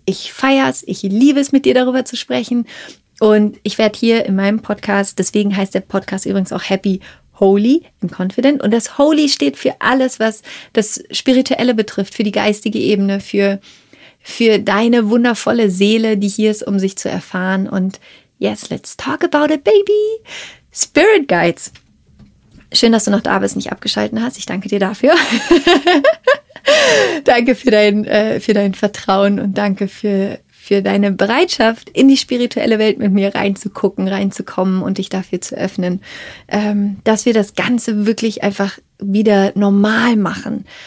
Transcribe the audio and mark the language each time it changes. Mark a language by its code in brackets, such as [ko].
[de] Ich feier's, ich liebe es, mit dir darüber zu sprechen. Und ich werde hier in meinem Podcast, deswegen heißt der Podcast übrigens auch Happy Holy in Confident. Und das Holy steht für alles, was das Spirituelle betrifft, für die geistige Ebene, für deine wundervolle Seele, die hier ist, um sich zu erfahren. [en] Und yes, let's talk about it, baby! Spirit Guides. [de] Schön, dass du noch da bist, nicht abgeschalten hast. Ich danke dir dafür. Danke für dein Vertrauen und danke für deine Bereitschaft, in die spirituelle Welt mit mir reinzugucken, reinzukommen und dich dafür zu öffnen, dass wir das Ganze wirklich einfach wieder normal machen.